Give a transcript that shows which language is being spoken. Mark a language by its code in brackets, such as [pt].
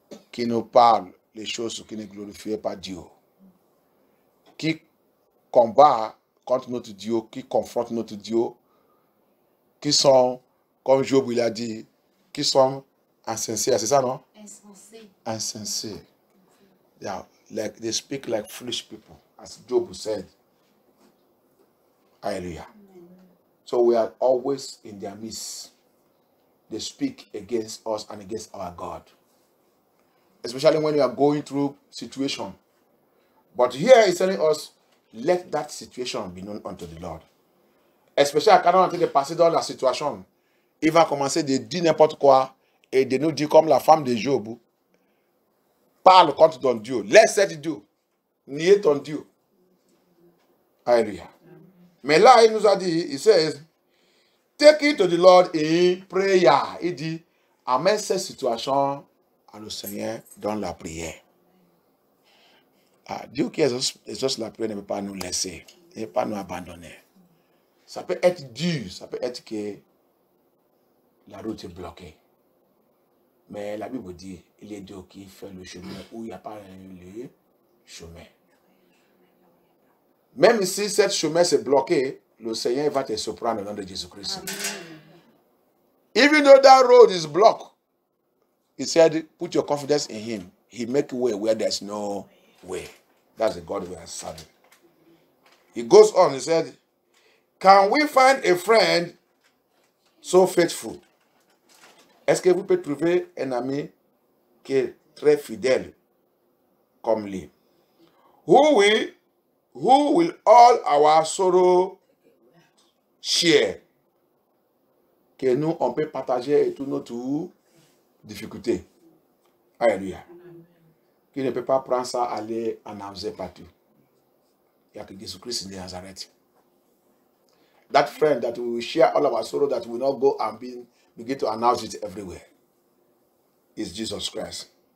[fr] Qui nous parlent les choses qui ne glorifient pas Dieu, qui combat contre notre Dieu, qui confronte notre Dieu, qui sont, comme Job il a dit, qui sont insensés, c'est ça non? Insensés. [en] Yeah, like they speak like foolish people, as Job said. Hallelujah. Amen. So we are always in their midst. They speak against us and against our God. Especially when you are going through situation. But here he's telling us, let that situation be known unto the Lord. Especially [fr] quand on est en train de passer dans la situation, il va commencer de dire n'importe quoi et de nous dire comme la femme de Job. Parle contre ton Dieu. Laisse cette Dieu. Nier ton Dieu. Alléluia. Mais là, il nous a dit, il [en] says, take it to the Lord in prayer. [fr] Il dit, amène cette situation à le Seigneur dans la prière. Ah, Dieu qui est juste la prière ne veut pas nous laisser. Il ne veut pas nous abandonner. Ça peut être dur. Ça peut être que la route est bloquée. Mais la Bible dit, il est Dieu qui fait le chemin où il n'y a pas le chemin. Même si ce chemin s'est bloqué, le Seigneur va te surprendre au nom de Jésus-Christ. Amen. [en] Even though that road is blocked, he said, put your confidence in him. He makes way where there's no way. That's the God we are serving. He goes on, he said, can we find a friend so faithful? [fr] Est-ce que vous pouvez trouver un ami qui est très fidèle comme lui? [en] Who will all our sorrow share? [fr] Que nous, on peut partager toutes nos difficultés. Alléluia. Qui ne peut pas prendre ça, aller en avance partout. Il y a que Jésus-Christ de Nazareth. [en] That friend that will share all our sorrow, that will not go and be begin to announce it everywhere, is Jesus Christ.